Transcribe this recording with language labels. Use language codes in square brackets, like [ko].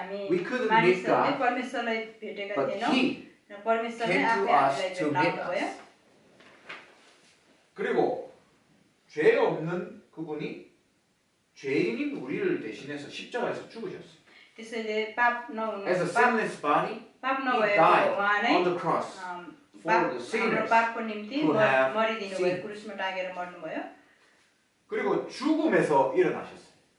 [en] We couldn't meet God, but He came to us to meet us. [ko] 그리고 죄 없는 그분이 죄인인 우리를 대신해서 십자가에서 죽으셨어요. This is the Pap no no. [en] As a sinless body, he died on the cross for the sinners who have sinned. [ko] 그리고 죽음에서 일어나셨어요.